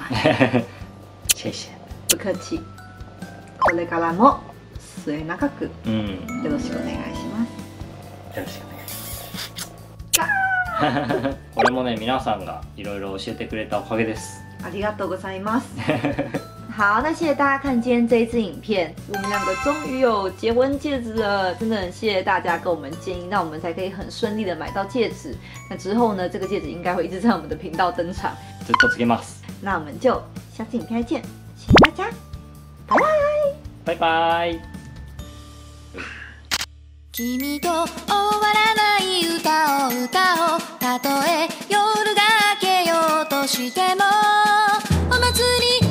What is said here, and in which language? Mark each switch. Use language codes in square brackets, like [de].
[ja] い。シェシェ。 [zh] 不客气。 [ja] これからも末永くよろしくお願いします。よろしくお願いします。これもね皆さんがいろいろ教えてくれたおかげです。ありがとうございます。 [zh] 好，那谢谢大家看今天这一支影片，我们两个终于有结婚戒指了，真的很谢谢大家给我们建议，那我们才可以很顺利的买到戒指。那之后呢，这个戒指应该会一直在我们的频道登场。 [ja] ずっとつけます。 [zh] 那我们就下次影片再见，谢谢大家，拜拜，拜拜。 [ja] 君と終わらない歌を歌おう。たとえ夜が明けようとしても、お祭り。